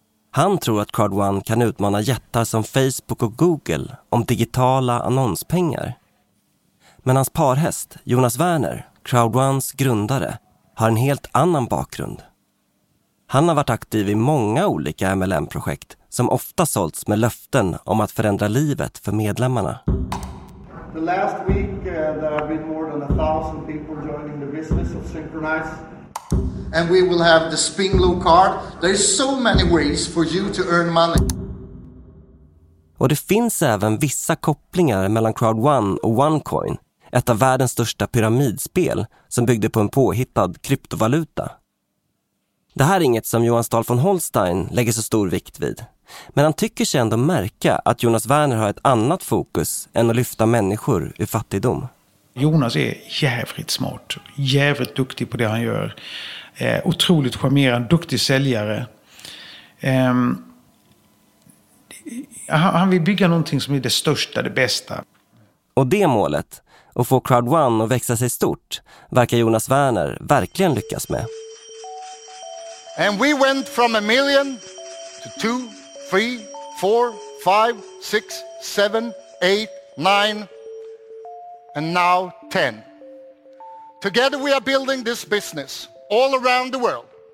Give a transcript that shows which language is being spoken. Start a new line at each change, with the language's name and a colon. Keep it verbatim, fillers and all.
Swedish: Han tror att Crowd One kan utmana jättar som Facebook och Google om digitala annonspengar. Men hans parhäst, Jonas Werner, Crowd Ones grundare, har en helt annan bakgrund. Han har varit aktiv i många olika M L M-projekt som ofta sålts med löften om att förändra livet för medlemmarna.
English: The last week uh, there have been more than one thousand people joining the business of Synchronize. And we will have the Spinglo card. There is so many ways for you to earn money.
Swedish: Och det finns även vissa kopplingar mellan Crowd One och OneCoin, ett av världens största pyramidspel som byggde på en påhittad kryptovaluta. Det här är inget som Johan Stahl von Holstein lägger så stor vikt vid. Men han tycker sig ändå märka att Jonas Werner har ett annat fokus än att lyfta människor ur fattigdom. Jonas är jävligt smart, jävligt duktig på det han gör. Eh, otroligt charmerande, duktig säljare. Eh, han, han vill bygga någonting som är det största, det bästa. Och det målet, att få Crowd One att växa sig stort, verkar Jonas Werner verkligen lyckas med.
English: And we went from a million to two, three, four, five, six, seven, eight, nine, and now ten. Together we are building this business all around the world.